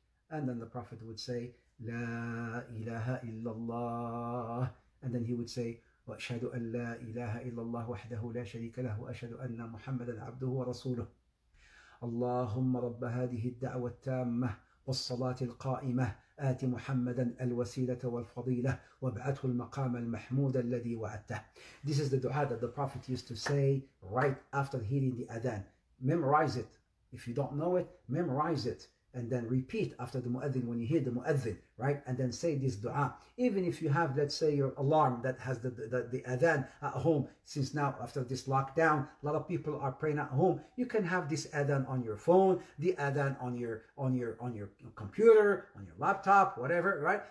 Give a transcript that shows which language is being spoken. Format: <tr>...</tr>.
<en>And then the Prophet would say, La ilaha illallah. And then he would say,</en> <ar>وأشهد أن لا إله إلا الله وحده لا شريك له وأشهد أن محمدا عبده ورسوله اللهم رب هذه الدعوة التامة والصلاة القائمة آت محمدا الوسيلة والفضيلة وابعته المقام المحمود الذي وعدته.</ar> <en>This is the dua that the Prophet used to say right after hearing the adhan. Memorize it. If you don't know it, memorize it. And then repeat after the muadhin, when you hear the muadhin, right? And then say this dua. Even if you have, let's say, your alarm that has the adhan at home, since now after this lockdown, a lot of people are praying at home, you can have this adhan on your phone, the adhan on your computer, on your laptop, whatever, right?</en>